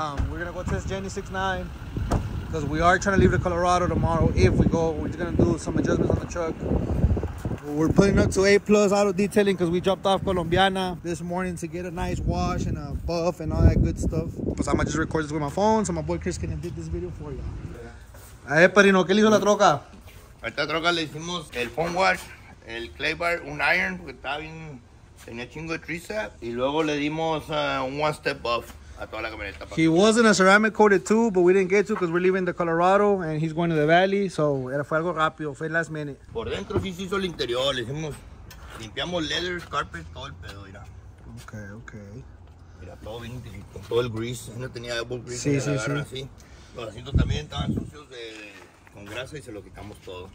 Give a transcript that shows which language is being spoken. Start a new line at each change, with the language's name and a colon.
English: We're gonna go test Jenny 6.9 because we are trying to leave to Colorado tomorrow. If we go, we're just gonna do some adjustments on the truck. We're putting up to A plus auto detailing because we dropped off Colombiana this morning to get a nice wash and a buff and all that good stuff. So I'ma just record this with my phone so my boy Chris can edit this video for y'all.
Spanish: Padrino, ¿qué le hizo la troca? A esta troca le hicimos el foam wash, el clay bar, un iron, porque estaba bien, tenía chingo de triza. Y luego le dimos un
English: one step buff
Spanish: a toda la camioneta.
English: He was in a ceramic coated too, but we didn't get to because we're leaving the Colorado and he's going to the valley.
Spanish: So fue algo rápido, fue
English: last minute.
Spanish: Por dentro sí se hizo el interior, le hicimos, limpiamos leather, carpet, todo el pedo, mira. Ok, ok. Mira, todo bien, con todo el grease, no tenía double grease. Sí, sí, sí. Los asientos también estaban sucios con grasa y se lo quitamos todo.